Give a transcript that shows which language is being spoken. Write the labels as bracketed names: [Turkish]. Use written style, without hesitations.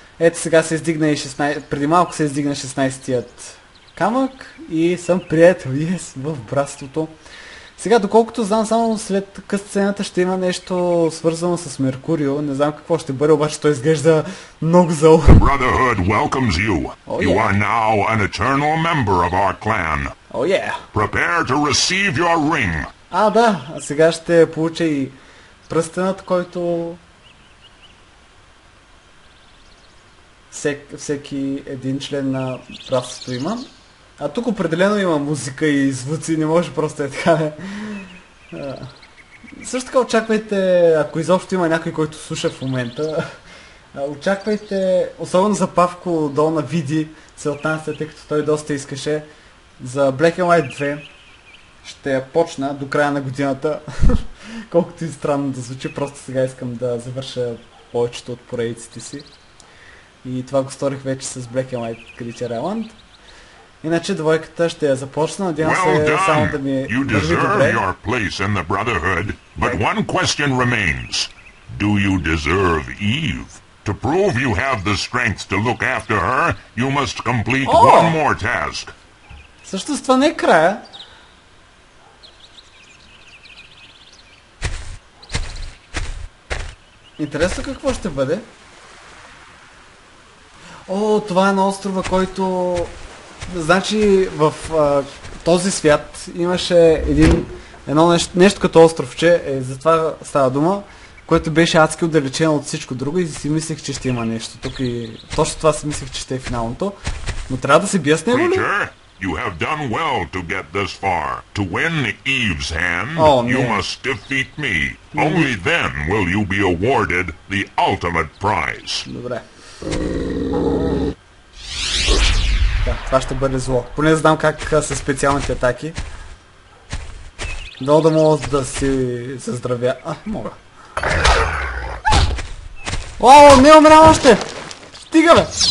[Bulgarian] Ето сега се издигна и 16... преди малко се издигна 16-тият камък и съм приятел, yes, в братството. Сега, доколкото знам, само след късцената ще има нещо свързано с Меркурио. Не знам какво ще бъде, обаче той изглежда много зъл. [English] The Brotherhood welcomes you. You are now an eternal member of our clan. Oh yeah. Prepare to receive your ring. [Bulgarian] А, да. А сега ще получа и пръстенът, който... Всеки един член на братството има. А тук определено има музика и звуци, не може просто е така. Също така очаквайте, ако изобщо има някой, който слуша в момента, очаквайте, особено за Павко долу на Види, целтанците, тъй като той доста искаше, за Black and White 2 ще почна до края на годината. Колкото и странно да звучи, просто сега искам да завърша повечето от поредиците си. И това го сторих вече с Black and White Creature Island. Иначе двойката ще я започна, надявам се само да ми... [English] You deserve your place in the Brotherhood, but one question remains. Do you deserve Eve? To prove you have the strength to look after her, you must complete one more task. [Bulgarian] Също с това не е края. Интересно какво ще бъде. О, това е на острова, който... Значи в този свят имаше едно нещо като островче, за това става дума, което беше адски отдалечено от всичко друго и си мислех, че ще има нещо тук и точно това си мислех, че ще е финалното. Но трябва да се бия с него ли? [English] You have done well to get this far. To win Eve's hand, you must defeat me. Only then will you be awarded the ultimate prize. [Bulgarian] Добре. Да, това ще бъде зло. Поне знам как са специалните атаки. Много да мога да си заздравя. А, мога. Вау, не умря още! Стига, бе!